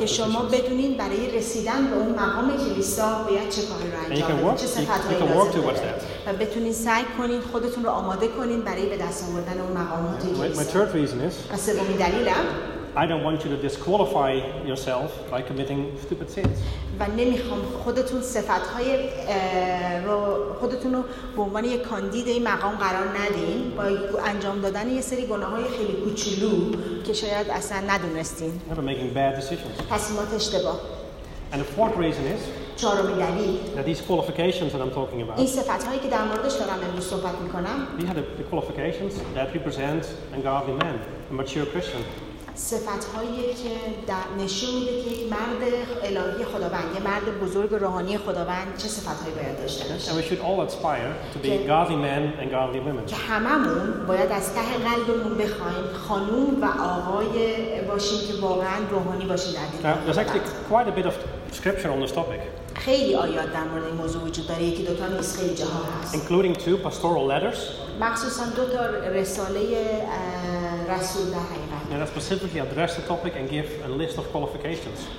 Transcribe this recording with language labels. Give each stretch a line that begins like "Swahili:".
Persian: که شما بدونین برای رسیدن به اون مقام کلیسا باید چه کاری رو انجام بدید. چه صفاتی لازم دارید. و بتونین سعی کنین خودتون رو آماده کنین برای به دست آوردن اون مقامات کلیسا.
English: My third reason is.
Persian: و سومین دلیلم
English: I don't want you to disqualify yourself by committing stupid sins.
Persian: و نمیخوام خودتون صفات‌های رو خودتون رو به عنوان یک کاندید این مقام قرار ندین با انجام دادن یه سری گناه‌های خیلی کوچولو که شاید اصلا ندونستین.
English: Never making bad decisions.
Persian: تصمیمات اشتباه.
English: And the fourth reason is that these qualifications that I'm talking about.
Persian: این صفات‌هایی که در موردش دارم امروز صحبت می‌کنم.
English: These are the qualifications that represent a godly man, a mature Christian.
Persian: صفات‌هایی که در نشون میده که یک مرد الهی خداوند، یک مرد بزرگ روحانی خداوند چه صفات‌هایی باید داشته باشه.
English: We should all aspire to be godly men and godly women.
Persian: که هممون باید از ته قلبمون بخوایم خانوم و آقای باشیم که واقعاً روحانی باشیم در دین.
English: There's actually quite a bit of scripture on this topic.
Persian: خیلی آیات در مورد این موضوع وجود داره، یکی دو تا نیست، خیلی جاها هست.
English: Including two pastoral letters.
Persian: مخصوصاً دو تا رساله رسول در حقیقت.
English: And I specifically address the topic and give a list of qualifications.